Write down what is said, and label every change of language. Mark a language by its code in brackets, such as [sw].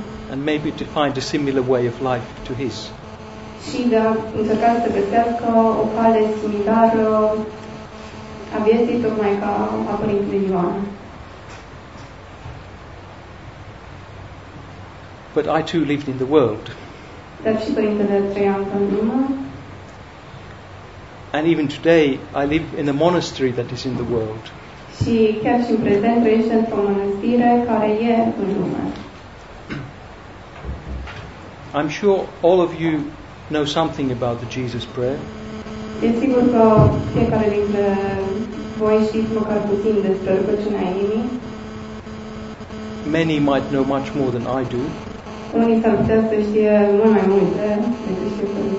[en] And maybe to find a similar way of life to his. [ro] Și de a încerca să găsească o cale similară a vieții, tocmai ca a părintele Ioan. [en] But I too lived in the world. [ro] Dar și părintele trăia încă în lume. [en] And even today I live in a monastery that is in the world. [ro] Și chiar și în prezent trăiesc într-o mănăstire care e în lume. [en] I'm sure all of you know something about the Jesus Prayer. [ro] E sigur că fiecare dintre voi știți măcar puțin despre rugăciunea inimii. [en] Many might know much more than I do. [ro] Unii s-ar putea să știe mult mai multe decât știu.